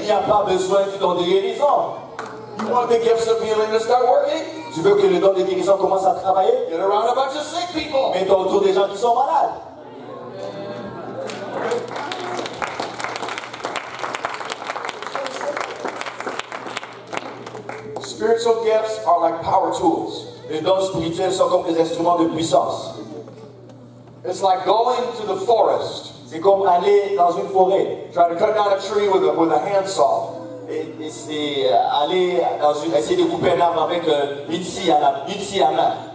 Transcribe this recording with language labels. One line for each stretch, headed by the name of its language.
French: Il n'y a pas besoin du don de guérison.
English: You want the gifts of healing to start working?
French: Tu veux que les dons de guérison commencent à travailler?
English: Get around a bunch of sick people.
French: Mets-toi autour des gens qui sont malades.
English: Spiritual gifts are like power tools.
French: Les dons spirituels sont comme des instruments de puissance.
English: It's like going to the forest.
French: C'est comme aller dans une forêt.
English: Trying to cut down a tree with a handsaw.
French: Et c'est aller dans une, essayer de couper un arbre avec une scie à main.